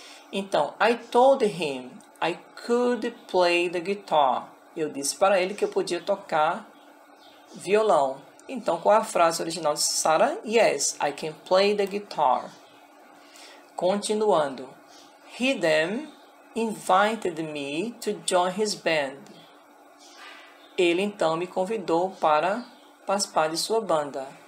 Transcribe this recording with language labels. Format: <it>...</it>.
<en>Então, I told him I could play the guitar.</en> <pt>Eu disse para ele que eu podia tocar violão. Então, qual é a frase original de Sarah?</pt> <en>Yes, I can play the guitar. Continuando. He then invited me to join his band.</en> <pt>Ele, então, me convidou para participar de sua banda.</pt>